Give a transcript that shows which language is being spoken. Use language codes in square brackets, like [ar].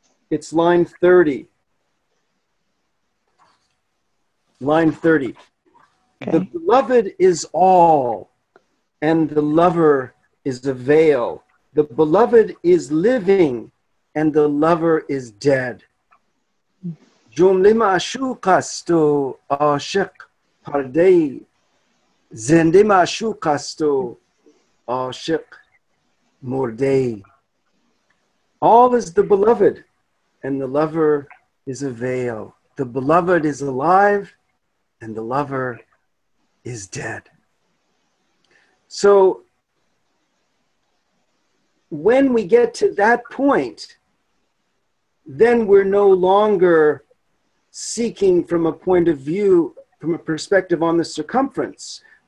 [en] It's line 30. Line 30. Okay. The beloved is all, and the lover is a veil. The beloved is living, and the lover is dead. [fa] جمله معشوق است و عاشق پرده‌ای. زنده معشوق است و عاشق مرده‌ای. [en] All is the beloved, and the lover is a veil. The beloved is alive, and the lover is dead. So, when we get to that point, then we're no longer seeking from a point of view, from a perspective on the circumference.